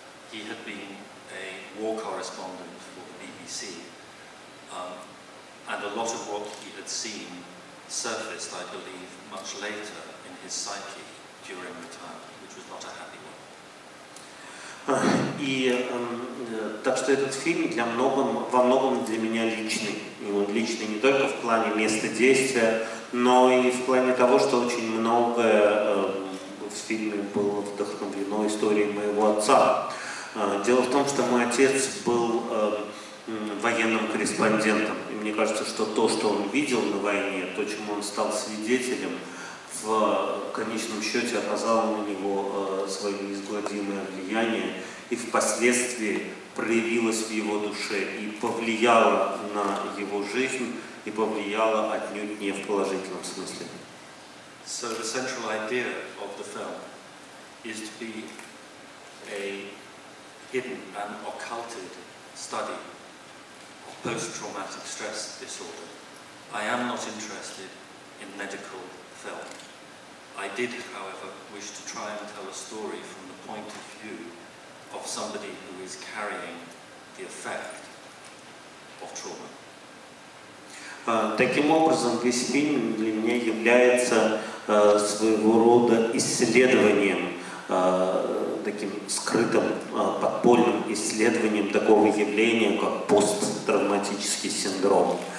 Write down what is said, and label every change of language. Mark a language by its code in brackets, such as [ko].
[en] He had been a war correspondent for the BBC, and a lot of what he had seen surfaced, I believe, much later in his psyche during retirement, which was not a happy one. [ru] И так что этот фильм во многом для меня личный. И он личный не только в плане места действия, но и в плане того, что очень многое в фильме было вдохновлено историей моего отца. Дело в том, что мой отец был военным корреспондентом. И мне кажется, что то, что он видел на войне, то, чему он стал свидетелем, в конечном счете оказало на него свое неизгладимое влияние и впоследствии проявилось в его душе и повлияло на его жизнь и повлияло отнюдь не в положительном смысле. [en] So the central idea of the film is to be a hidden and occulted study of post-traumatic stress disorder. I am not interested in medical film. I did, however, wish to try and tell a story from the point of view of somebody who is carrying the effect of trauma. [ru] Таким образом, весь фильм для меня является своего рода исследованием, таким скрытым, подпольным исследованием такого явления, как посттравматический синдром.